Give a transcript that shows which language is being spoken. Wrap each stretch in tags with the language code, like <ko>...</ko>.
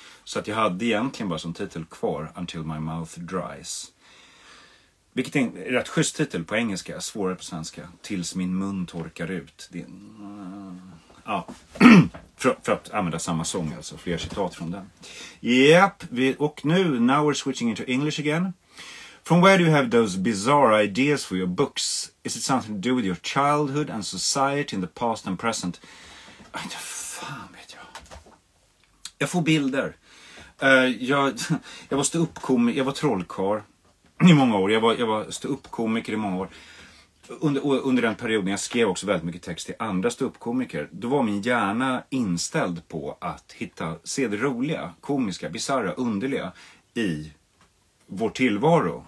<sv>Så att jag hade egentligen bara som titel kvar Until My Mouth Dries. Vilket är en rätt schysst titel på engelska, svårare på svenska. Tills min mun torkar ut. Det är, ja. För att använda samma sång, alltså fler citat från den.</sv> <en>Yep,</en> <sv>och nu,</sv> <en>now we're switching into English again. From where do you have those bizarre ideas for your books? Is it something to do with your childhood and society in the past and present?</en> <sv>Aj, inte fan vet jag. Jag får bilder. Jag var ståuppkomiker, jag var trollkar i många år. Jag var ståuppkomiker i många år. Under den perioden jag skrev också väldigt mycket text till andra ståuppkomiker, då var min hjärna inställd på att hitta, se det roliga, komiska, bizarra, underliga i vår tillvaro.</sv>